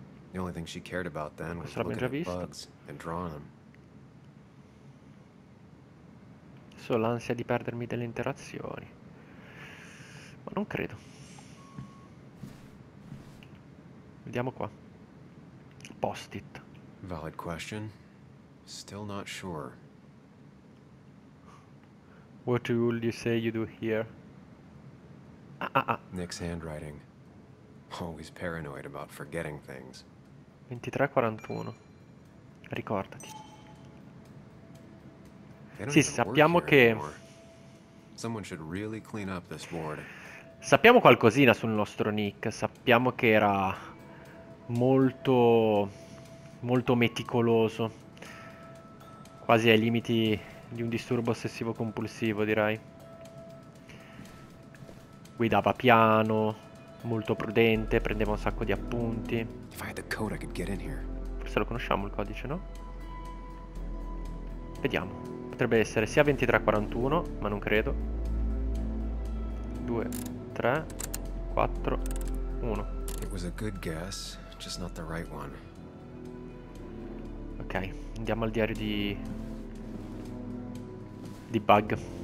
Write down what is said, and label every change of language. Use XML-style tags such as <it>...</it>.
<en>The only thing she cared about then was looking at bugs and drawing them. So</en> <it>adesso ho l'ansia di perdermi delle interazioni. Ma non credo. Vediamo qua. Post-it.</it> <en>Valid question. Still not sure. What will you say you do here? Nick's handwriting. Always paranoid about forgetting things.</en> <it>23:41. Ricordati. Sì, sappiamo che...</it> <en>Someone should really clean up this board.</en> <it>Sappiamo qualcosina sul nostro Nick. Sappiamo che era molto, molto meticoloso. Quasi ai limiti di un disturbo ossessivo compulsivo, direi. Guidava piano, molto prudente, prendeva un sacco di appunti.</it> <en>If I had the code, I could get in here.</en> <it>Forse lo conosciamo il codice, no? Vediamo. Potrebbe essere sia 2341, ma non credo. 2, 3, 4, 1.</it> <en>It was a good guess, just not the right one.</en> <it>Ok, andiamo al diario di... di Bug.</it>